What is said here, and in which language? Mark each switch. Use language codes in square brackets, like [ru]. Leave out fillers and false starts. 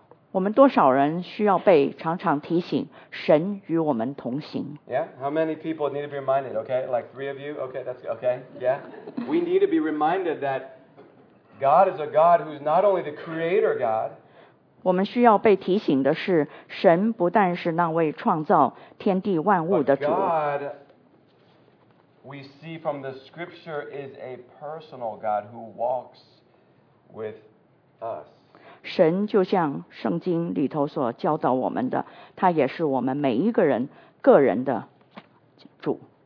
[zh] 我们多少人需要被常常提醒，神与我们同行。 [en] Yeah, how many people need to be reminded? Okay, like three of you? Okay, that's okay. Yeah, we need to be reminded that God is a God who's not only the creator God. [zh] 我们需要被提醒的是，神不但是那位创造天地万物的主。 [en] God, we see from the scripture, is a personal God who walks with us. [zh] 神就像圣经里头所教导我们的，他也是我们每一个人个人的主。